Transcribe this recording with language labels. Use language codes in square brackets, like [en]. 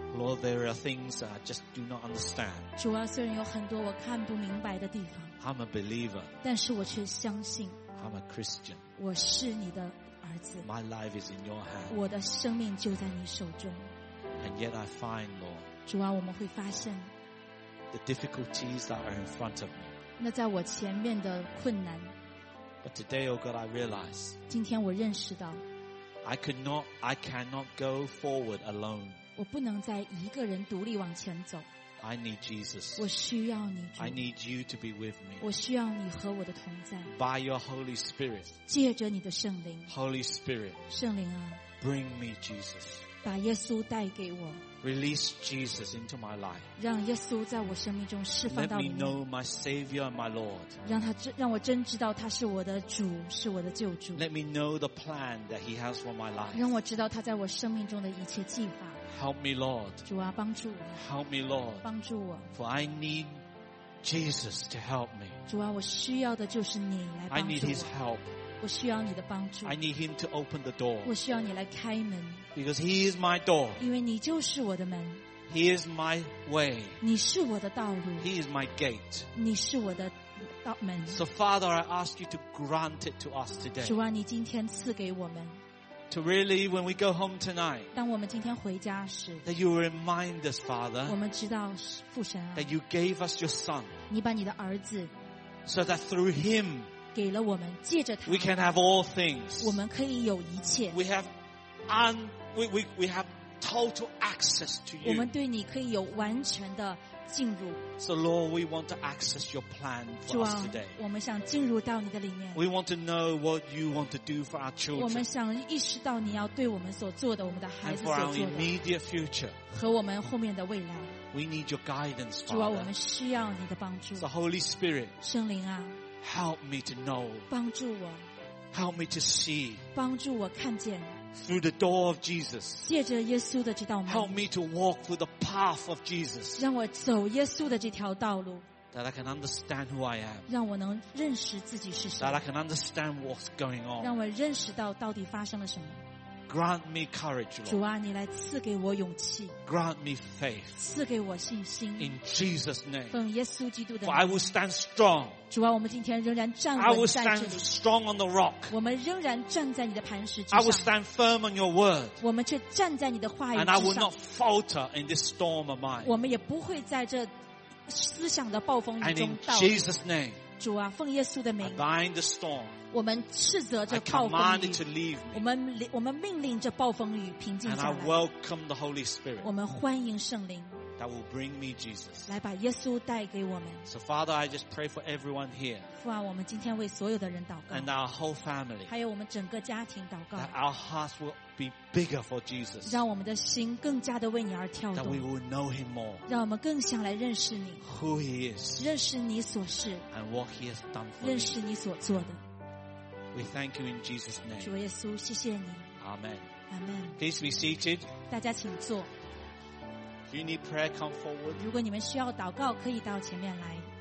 [en] Lord, there are things I just do not understand. [zh] 主啊，虽然有很多我看不明白的地方。 [en] I'm a believer. [zh] 但是我却相信。 [en] I'm a Christian. [zh] 我是你的儿子。 [en] My life is in your hand. [zh] 我的生命就在你手中。 [en] And yet I find, Lord. [zh] 主啊，我们会发现。 [en] The difficulties that are in front of me. [zh] 那在我前面的困难。 [en] But today, oh God, I realize. [zh] 今天我认识到。 [en] I cannot go forward alone. [zh] 我不能再一个人独立往前走。 [en] I need Jesus. [zh] 我需要你。 [en] I need you to be with me. [zh] 我需要你和我的同在。 [en] By your Holy Spirit. [zh] 借着你的圣灵。 [en] Holy Spirit. [zh] 圣灵啊。 [en] Bring me Jesus. [zh] 把耶稣带给我。 [en] Release Jesus into my life. [zh] 让耶稣在我生命中释放到里面。 [en] Let me know my Savior and my Lord. [zh] 让我真知道他是我的主，是我的救主。 [en] Let me know the plan that He has for my life. [zh] 让我知道他在我生命中的一切计划。 [en] Help me, Lord. [zh] 主啊，帮助我。 [en] Help me, Lord. [zh] 帮助我。 [en] For I need Jesus to help me. [zh] 主啊，我需要的就是你来帮助我。 [en] I need His help. [zh] 我需要你的帮助。 [en] I need Him to open the door. [zh] 我需要你来开门。 [en] Because He is my door. [zh] 因为你就是我的门。 [en] He is my way. [zh] 你是我的道路。 [en] He is my gate. [zh] 你是我的Amen. [en] So Father, I ask you to grant it to us today. [zh] 主啊，你今天赐给我们。 [en] To really, when we go home tonight, [zh] 当我们今天回家时 [en] that you remind us, Father, [zh] 我们知道父神啊 [en] that you gave us your Son, [zh] 你把你的儿子 [en] so that through him, [zh] 给了我们借着他 [en] we can have all things, [zh] 我们可以有一切 [en] we have total access to you, [zh] 我们对你可以有完全的进入 [en] so Lord, we want to access your plan for [zh] 主啊, [en] us today. [zh] 我们想进入到你的里面。 [en] We want to know what you want to do for our children. [zh] 我们想意识到你要对我们所做的，我们的孩子所做的。 [en] And for our immediate future. [zh] 和我们后面的未来。 [en] We need your guidance, Father. [zh] 主啊，我们需要你的帮助。 [en] So Holy Spirit. [zh] 圣灵啊。 [en] Help me to know. [zh] 帮助我。 [en] Help me to see. [zh] 帮助我看见。 [en] Through the door of Jesus, [zh] 借着耶稣的这道门 [en] help me to walk through the path of Jesus, [zh] 让我走耶稣的这条道路 [en] that I can understand who I am, [zh] 让我能认识自己是谁 [en] that I can understand what's going on, [zh] 让我认识到到底发生了什么 [en] grant me courage, Lord, [zh] 主啊，你来赐给我勇气 [en] grant me faith, [zh] 赐给我信心 [en] in Jesus' name, [zh] 奉耶稣基督的 [en] for I will stand strong. [zh] 主啊，我们今天仍然站稳在这里。 [en] I will stand strong on the rock. [zh] 我们仍然站在你的磐石之上。 [en] I will stand firm on your word. [zh] 我们却站在你的话语之上。 [en] And I will not falter in this storm of mine. [zh] 我们也不会在这思想的暴风雨中倒。 [en] And in Jesus' name. [zh] 主啊，奉耶稣的名。 [en] I bind the storm. [zh] 我们斥责这暴风雨。 [en] I command it to leave me. [zh] 我们命令这暴风雨平静下来。 [en] And I welcome the Holy Spirit. [zh] 我们欢迎圣灵。 [en] That will bring me Jesus. [zh] 来把耶稣带给我们。 [en] So Father, I just pray for everyone here. [zh] 父啊，我们今天为所有的人祷告。 [en] And our whole family. [zh] 还有我们整个家庭祷告。 [en] That our hearts will be bigger for Jesus. [zh] 让我们的心更加的为你而跳动。 [en] That we will know Him more. [zh] 让我们更想来认识你。 [en] Who He is. [zh] 认识你所是。 [en] And what He has done for you. [zh] 认识你所做的。 [en] We thank you in Jesus' name. [zh] 主耶稣，谢谢你。 [en] Amen. Amen. Please be seated. [zh] 大家请坐。 [en] If you need prayer, come forward. [zh] 如果你们需要祷告，可以到前面来。